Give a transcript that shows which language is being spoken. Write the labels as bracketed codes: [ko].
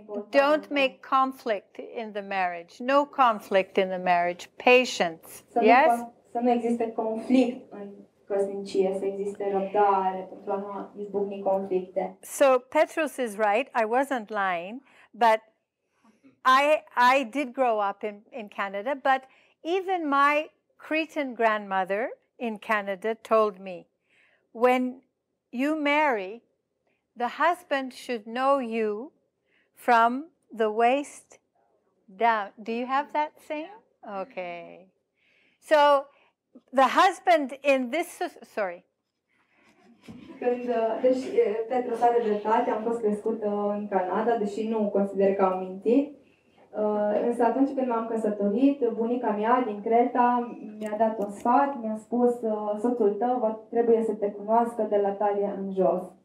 [en] Don't make conflict in the marriage. No conflict in the marriage. Patience. Yes? [ro] Să nu existe conflict în căsnicie, să existe răbdare pentru a nu izbucni conflicte. [en] So Petros is right. I wasn't lying, but I did grow up in Canada, but even my Cretan grandmother in Canada told me, when you marry, the husband should know you from the waist down. Do you have that saying? Okay. So the husband in this, sorry. [ro] Când, deși, pentru tare dreptate, am fost crescută în Canada, deși nu consider că am mintit. Însă atunci când m-am căsătorit, bunica mea din Creta mi-a dat un sfat, mi-a spus, soțul tău trebuie să te cunoască de la talie în jos.